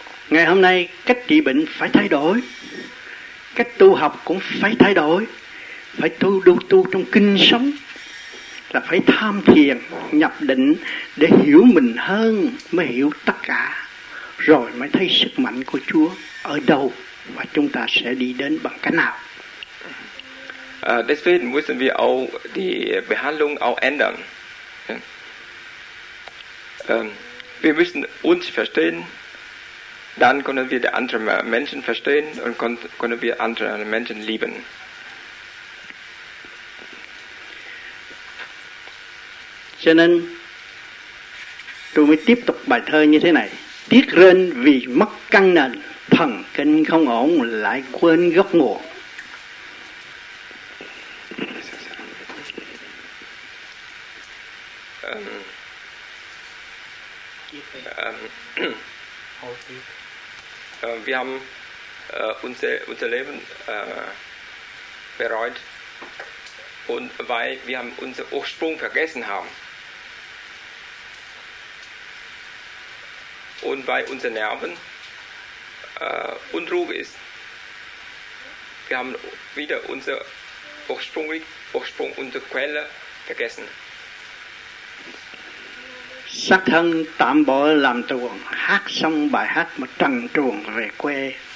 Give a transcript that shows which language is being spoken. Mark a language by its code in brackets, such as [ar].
[vi] Ngày hôm nay cách trị bệnh phải thay đổi. cách tu học cũng phải thay đổi, phải tu trong kinh sống, là phải tham thiền nhập định để hiểu mình hơn, mới hiểu tất cả, rồi mới thấy sức mạnh của Chúa ở đâu và chúng ta sẽ đi đến bằng cách nào. [de] Deswegen müssen wir auch die Behandlung auch ändern. Wir müssen uns verstehen, dann können wir die anderen Menschen verstehen und können wir andere Menschen lieben. [vi] Cho nên tôi mới tiếp tục bài thơ như thế này: tiếc rên vì mất căn nền, thần kinh không ổn lại quên gốc nguồn. [de] Wir haben unser Leben bereut, und weil wir haben unseren Ursprung vergessen haben. Und weil unsere Nerven unruhig ist. Wir haben wieder unser Ursprung, unsere Quelle vergessen. [vi] Xác thân tạm bỏ làm tuồng, hát xong bài hát mà trần truồng về quê.